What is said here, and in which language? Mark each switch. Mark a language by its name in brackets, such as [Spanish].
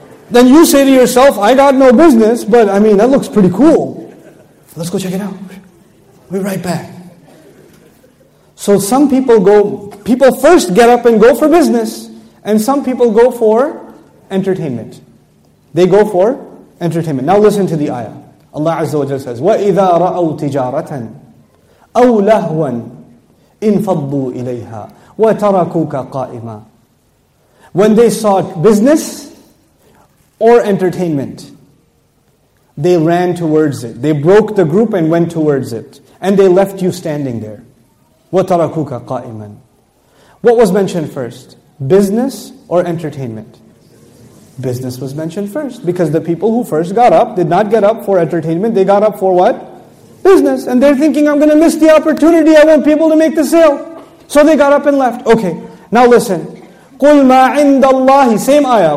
[English] Then you say to yourself, I got no business, but I mean, that looks pretty cool. Let's go check it out. We'll be right back. So some people go, people first get up and go for business, and some people go for entertainment. They go for entertainment. Now listen to the ayah. Allah Azza wa Jalla says, [Arabic] وَإِذَا رَأَوْ تِجَارَةً أَوْ لَهْوًا إِنْفَضُّوا إِلَيْهَا وَتَرَكُوكَ قَائِمًا. [English] When they saw business or entertainment, they ran towards it. They broke the group and went towards it. And they left you standing there. [Arabic] وَتَرَكُوكَ قَائِمًا. [English] What was mentioned first? Business or entertainment? Business was mentioned first. Because the people who first got up did not get up for entertainment. They got up for what? Business. And they're thinking, I'm going to miss the opportunity. I want people to make the sale. So they got up and left. Okay, now listen. [Arabic] قُلْ مَا عِنْدَ اللَّهِ [English] Same ayah.